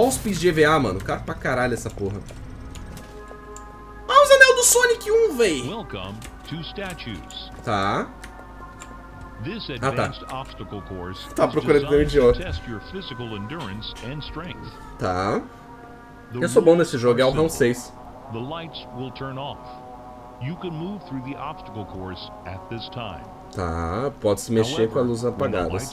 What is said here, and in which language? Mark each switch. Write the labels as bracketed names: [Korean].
[Portuguese] Olha os pins de EVA, mano. Cara pra caralho essa porra. Olha os anel do Sonic 1, véi! [English] Welcome to statues. [Portuguese] Tá. [English] This advanced obstacle course [Portuguese] tá procurando o meu idiota. [English] Test your physical endurance and strength. [Portuguese] Tá. Eu sou bom nesse jogo, é o Round 6. [English] The lights will turn off. You can move through the obstacle course at this time. [Portuguese] Tá, pode se mexer com a luz apagada.